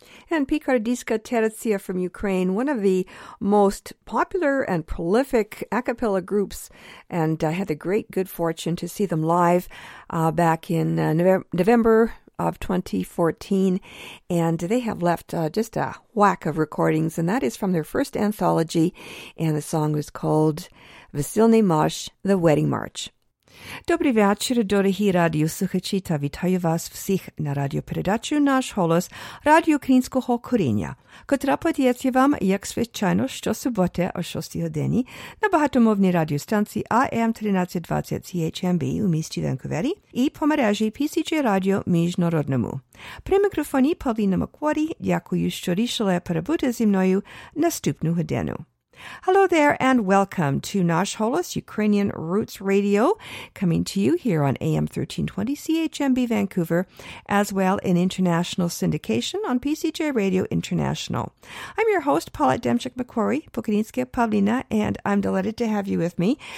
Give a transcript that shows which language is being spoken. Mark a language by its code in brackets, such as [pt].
[en] And Picardiska Terezia from Ukraine, one of the most popular and prolific a cappella groups, and I had the great good fortune to see them live back in November of 2014, and they have left just a whack of recordings, and that is from their first anthology, and the song was called Весільний марш, The Wedding March. [uk] Добрий вечір, дорогі радіослухачі, та вітаю вас всіх на радіопередачі «Наш голос» Радіо Українського коріння, котра подається вам, як звичайно, щосуботи о 6-й годині на багатомовній радіостанції AM 1320 CHMB у місті Ванкувері і по мережі PCG Радіо Міжнародному. При мікрофоні Павліна Макворі, дякую, що рішили перебути зі мною наступну годину. [en] Hello there and welcome to Nash Holos Ukrainian Roots Radio, coming to you here on AM 1320 CHMB Vancouver, as well in international syndication on PCJ Radio International. I'm your host, Paulette Demchuk-McQuarrie, Pukadinska Pavlina, and I'm delighted to have you with me.